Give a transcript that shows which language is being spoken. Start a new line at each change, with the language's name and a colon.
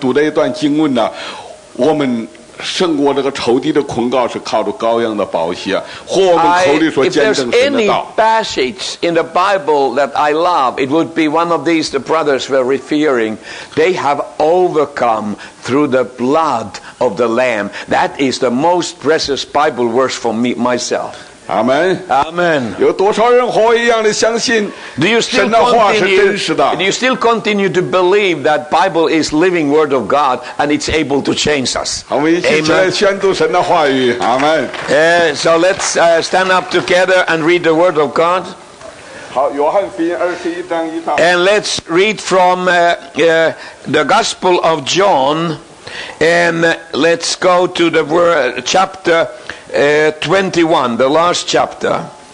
Chinese: 我非常希望这位神的仆人刚刚给我们读的一段经文呢，我们。
English: If there's any passage in the Bible that I love, it would be one of these the brothers were referring. They have overcome through the blood of the Lamb. That is the most precious Bible verse for me myself. Amen. Amen.
Chinese: 有多少人和我一样的相信,
English: do you still
Chinese: 神的话是真实的?
English: Do you still continue to believe that Bible is living Word of God and it's able to change us? Amen. Amen. So let's stand up together and read the Word of God.
Chinese: 好,
English: and let's read from the Gospel of John, and let's go to the chapter 21, the last chapter.